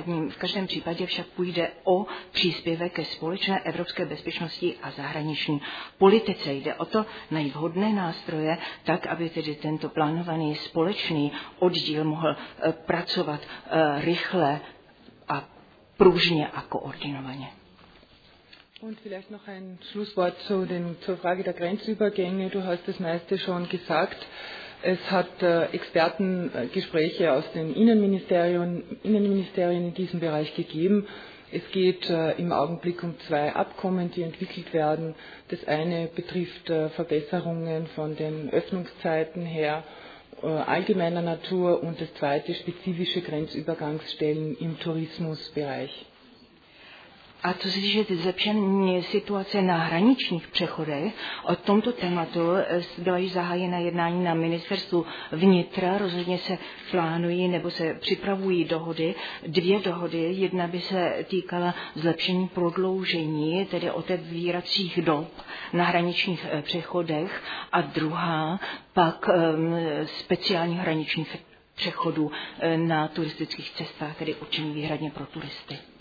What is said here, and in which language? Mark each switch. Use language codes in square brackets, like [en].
[cs] V každém případě však půjde o příspěvek ke společné evropské bezpečnosti a zahraniční politice. Jde o to najít vhodné nástroje, tak aby tedy tento plánovaný společný oddíl mohl pracovat rychle a pružně a koordinovaně. [de] Und vielleicht noch ein Schlusswort zur Frage der Grenzübergänge. Du hast das meiste schon gesagt. Es hat Expertengespräche aus den Innenministerien in diesem Bereich gegeben. Es geht im Augenblick um zwei Abkommen, die entwickelt werden. Das eine betrifft Verbesserungen von den Öffnungszeiten her allgemeiner Natur und das zweite spezifische Grenzübergangsstellen im Tourismusbereich. [cs] A co se týče zlepšení situace na hraničních přechodech, o tomto tématu byla již zahájena jednání na ministerstvu vnitra, rozhodně se plánují nebo se připravují dohody, dvě dohody, jedna by se týkala zlepšení prodloužení, tedy otevíracích dob na hraničních přechodech a druhá pak speciálních hraničních přechodů na turistických cestách, tedy určení výhradně pro turisty.